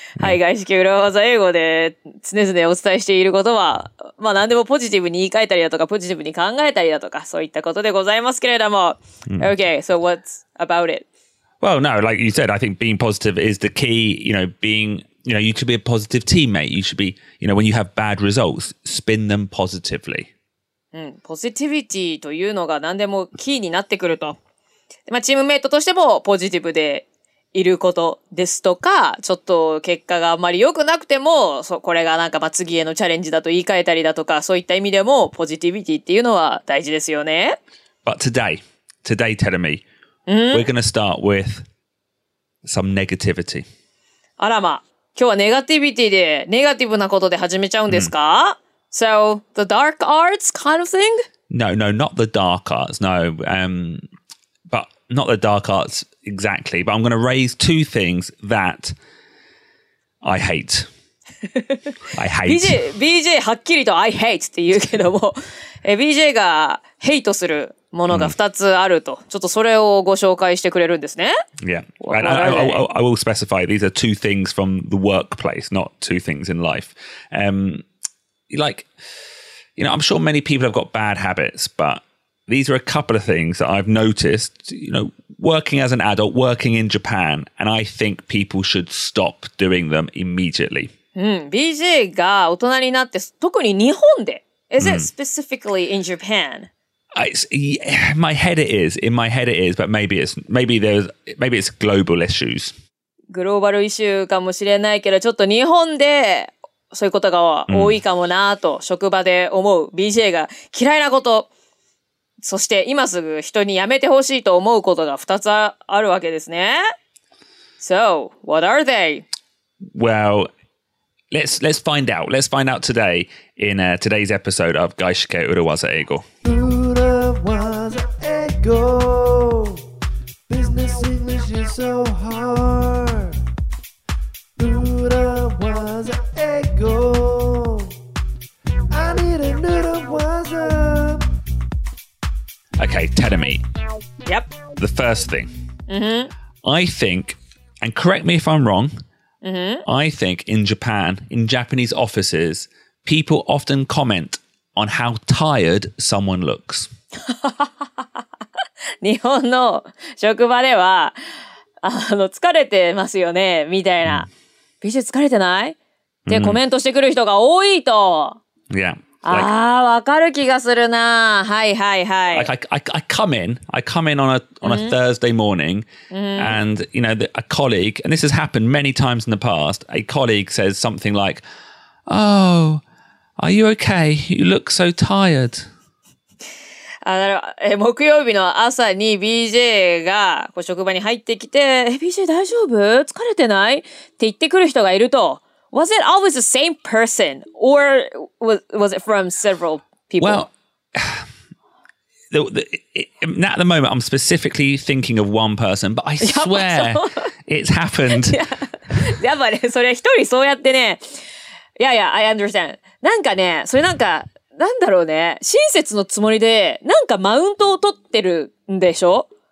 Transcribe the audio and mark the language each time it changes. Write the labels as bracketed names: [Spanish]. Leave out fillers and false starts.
[Japanese] はい、外資系裏技英語で常々お伝えしていることは、まあ何でもポジティブに言い換えたりだとか、ポジティブに考えたりだとか、そういったことでございますけれども。 [English] Okay, so what's about it? Well, no, like you said, I think being positive is the key, you know, being... You know, you should be a positive teammate. You should be, you know, when you have bad results, spin them positively. [Japanese] Positivity というのが何でもキーになってくると。まあ、チームメイトとしてもポジティブでいることですとか、ちょっと結果があまり良くなくても、これがなんかまあ次へのチャレンジだと言い換えたりだとか、そういった意味でもポジティビティっていうのは大事ですよね。 [English] But today, Terumi, we're going to start with some negativity. [Japanese] あらま。今日はネガティビティで、ネガティブなことで始めちゃうんですか、 [English] So, the dark arts kind of thing? No, not the dark arts, no. But not the dark arts exactly, but I'm going to raise two things that I hate. I hate. [Japanese] BJ はっきりと [English] I hate [Japanese] って言うけども、BJ がヘイトするものが2つあると、ちょっとそれをご紹介してくれるんですね。 [English] Yeah. And I will specify these are two things from the workplace, not two things in life. Like, you know, I'm sure many people have got bad habits, but these are a couple of things that I've noticed, you know, working as an adult, working in Japan, and I think people should stop doing them immediately. [Japanese] BJ が大人になって、特に日本で。 [English] Is it specifically in Japan? In my head it is, but maybe it's global issues. [Japanese] グローバル issue かもしれないけど、ちょっと日本でそういうことが多いかもなと職場で思う BJ が嫌いなこと、そして今すぐ人にやめてほしいと思うことが2つあるわけですね。 [English] So, what are they? Well, let's find out. Let's find out today in today's episode of Gaishke Uruwaza Eigo. Go. Business English is so hard. Noodle was an ego. I need a noodle was a. Okay, Terumi. Yep. The first thing. I think, and correct me if I'm wrong, I think in Japan, in Japanese offices, people often comment on how tired someone looks. [Japanese] 日本の職場では、疲れてますよね、みたいな。ビジ疲れてない? ってコメントしてくる人が多いと。 [English] Yeah. [Japanese] Like, ああ、わかる気がするな。はいはいはい。 [English] Like, I come in on a Thursday morning, and, you know, a colleague, and this has happened many times in the past, a colleague says something like, Oh, are you okay? You look so tired. [Japanese] 木曜日の朝に BJ がこう職場に入ってきて、BJ 大丈夫?疲れてない? って言ってくる人がいると。 [English] Was it always the same person? Or was it from several people? Well, not at the moment, I'm specifically thinking of one person, but I swear it's happened. [Japanese] やっぱね、それ一人そうやってね。 [English] Yeah, I understand. [Japanese] なんかね、それなんか、なんだろうね。親切のつもりで、なんかマウントを取ってるんでしょ